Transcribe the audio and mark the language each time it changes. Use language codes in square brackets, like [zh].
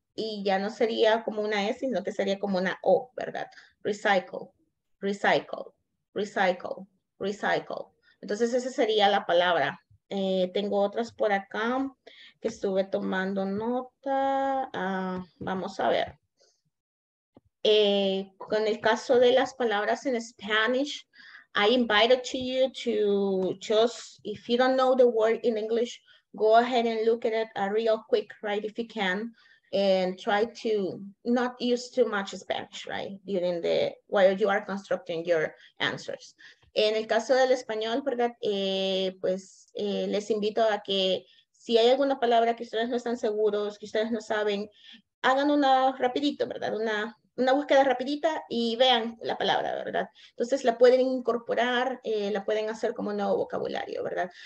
[es] Y ya no sería como una S, sino que sería como una O, ¿verdad? [en] Recycle, recycle, recycle, recycle. [es] Entonces, esa sería la palabra. Tengo otras por acá que estuve tomando nota. Vamos a ver. Con el caso de las palabras en [en] Spanish, I invited to you to just, if you don't know the word in English, go ahead and look at it real quick, right, if you can. And try to not use too much Spanish, right? During the, while you are constructing your answers. [es] En el caso del español, ¿verdad? Pues les invito a que si hay alguna palabra que ustedes no están seguros, que ustedes no saben, hagan una rapidito, ¿verdad? Una búsqueda rapidita y vean la palabra, ¿verdad? Entonces la pueden incorporar, la pueden hacer como nuevo vocabulario, ¿verdad?